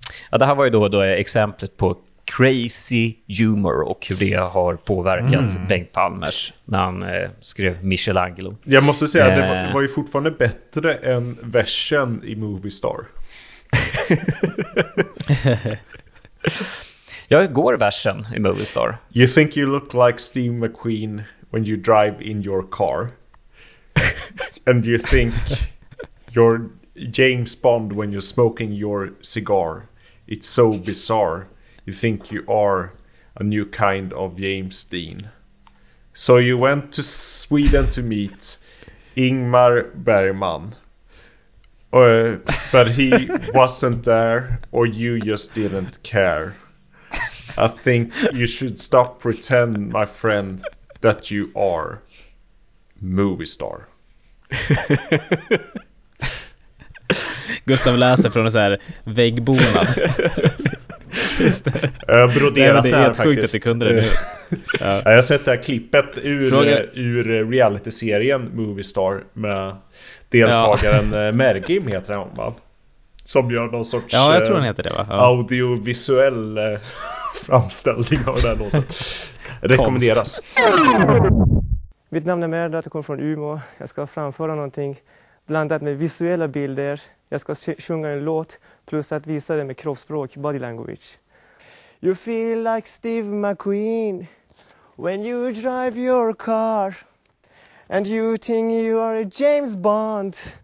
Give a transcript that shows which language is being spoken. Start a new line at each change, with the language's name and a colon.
Swedish: Ja, det här var ju då exemplet på crazy humor och hur det har påverkat Bengt Palmers när han skrev Michelangelo. Jag måste säga att det var ju fortfarande bättre än versen i Movie Star. Jag går versen i Movie Star.
English: You think you look like Steve McQueen when you drive in your car. And you think you're James Bond when you're smoking your cigar. It's so bizarre. You think you are a new kind of James Dean. So you went to Sweden to meet Ingmar Bergman. But he wasn't there, or you just didn't care. I think you should stop pretend, my friend, that you are movie star.
Swedish: Gustav läser från en så här väggbonad. Just det. Jag broderat det här faktiskt. Det kunde det. Ja. Jag har sett det här klippet ur reality-serien Movie Star med deltagaren Mergim heter han, va? Som gör någon sorts jag tror han heter det, va? Ja. Audiovisuell framställning av den här låten. Rekommenderas. Mitt namn är Merda, jag kommer från Umeå. Jag ska framföra någonting blandat med visuella bilder. Jag ska sjunga en låt plus att visa det med kroppsspråk,
English: body language. You feel like Steve McQueen when you drive your car. And you think you are a James Bond.